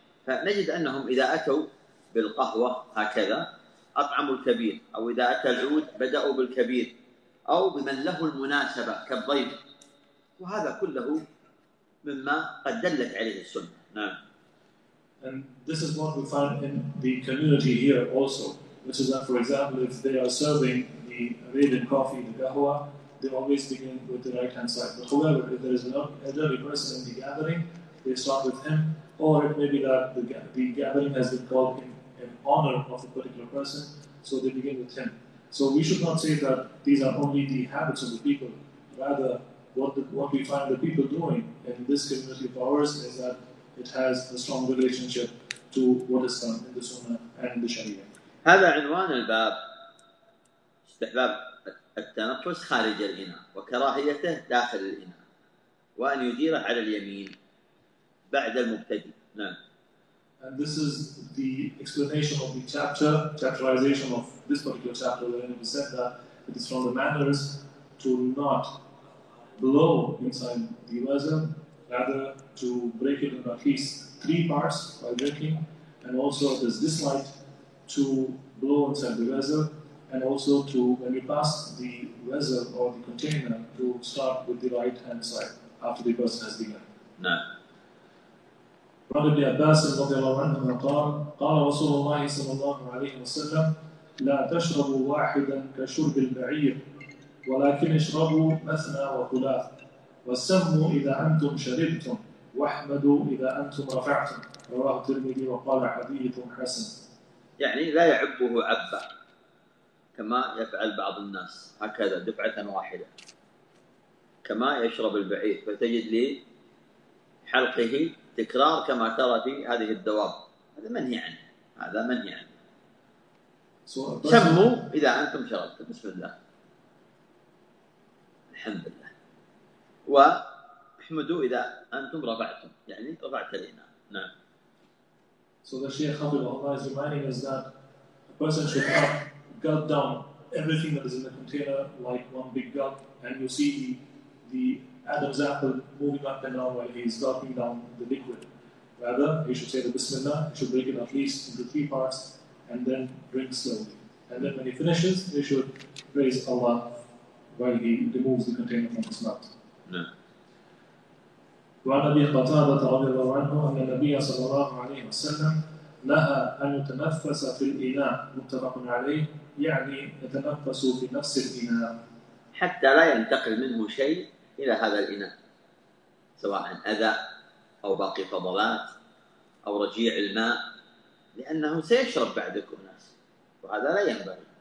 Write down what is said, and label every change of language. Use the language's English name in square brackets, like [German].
[Arabic] فنجد أنهم إذا أتوا بالقهوة هكذا أطعموا الكبير، أو إذا أتى العود بدأوا بالكبير، أو بمن له المناسبة كالضيف، وهذا كله مما قد دلت عليه السنة. نعم. [English] And this is what we find in the community here also, which is that for example if they are serving the Arabian coffee, the Gahwa, they always begin with the right hand side. But however, if there is an elderly person in the gathering, they start with him. Or it may be that the gathering has been called in honor of a particular person, so they begin with him. So we should not say that these are only the habits of the people. Rather, what we find the people doing in this community of ours is that it has a strong relationship to what is done in the Sunnah and in the Sharia. [Arabic] هذا عنوان الباب استحباب التنفس خارج الإناء وكراهيته داخل الإناء وأن يديره على اليمين بعد المبتدئ. نعم. [English] And this is the explanation of the chapterization of this particular chapter wherein it is said that it is from the manners to not blow inside the vessel, rather to break it in at least three parts while drinking, and also it is disliked to blow inside the vessel, and also to, when you pass the vessel or the container, to start with the right hand side after the person has begun. No. Brother Abbas [Arabic] رضي الله عنه قال رسول الله صلى الله عليه وسلم لا تشربوا واحدا كشرب البعير ولكن اشربوا مثنى وثلاث واستغنوا إذا أنتم شربتم واحمدوا إذا أنتم رفعتم. رواه الترمذي وقال حديث حسن. يعني لا يعبه عبا كما يفعل بعض الناس هكذا دفعة واحدة كما يشرب البعير، فتجد لي حلقه تكرار كما ترى في هذه الدواب، هذا منهي عنه، هذا منهي عنه. سموا إذا أنتم شربتم، بسم الله الحمد لله، واحمدوا إذا أنتم رفعتم، يعني رفعت لنا. نعم. [English] So the Shaykh Habibullah is reminding us that a person should have gulped down everything that is in the container like one big gulp, and you see the Adam's apple moving up and down while he is gulping down the liquid. Rather, he should say the Bismillah, he should break it at least into three parts and then drink slowly. And then when he finishes, he should praise Allah while he removes the container from his mouth. No. [Arabic] وعن أبي قتادة رضي الله عنه أن النبي صلى الله عليه وسلم نهى أن يتنفس في الإناء، متفق عليه، يعني يتنفس في نفس الإناء حتى لا ينتقل منه شيء إلى هذا الإناء، سواء أذى أو باقي فضلات أو رجيع الماء، لأنه سيشرب بعدكم ناس، وهذا لا ينبغي.